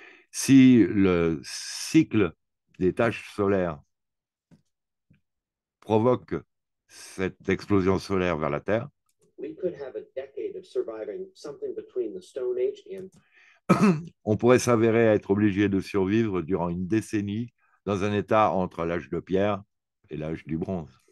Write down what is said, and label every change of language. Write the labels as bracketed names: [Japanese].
[French] si le cycle des taches solaires provoque cette explosion solaire vers la Terre, [English] we could have a decade of surviving something between the Stone Age and. [French] On pourrait s'avérer être obligé de survivre durant une décennie dans un état entre l'âge de pierre et l'âge du bronze.